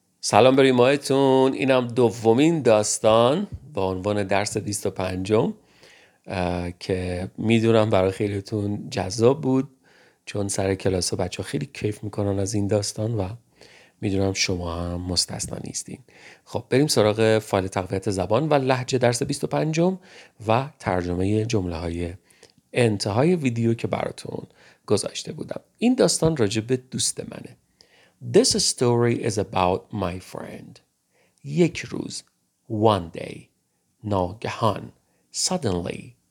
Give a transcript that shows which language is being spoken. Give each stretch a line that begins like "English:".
Persian: سلام بر ایمایتون، اینم دومین داستان با عنوان درس 25 که میدونم برای خیلیتون جذاب بود، چون سر کلاس ها بچه ها خیلی کیف میکنن از این داستان و میدونم شما هم مستثنا نیستین. خب بریم سراغ فایل تقویت زبان و لهجه درس 25 و ترجمه جمله های انتهای ویدیو که براتون گذاشته بودم. این داستان راجع به دوست منه.
English: This story is about my friend.
Persian: یک روز,
English: one day,
Persian: ناگهان,
English: suddenly.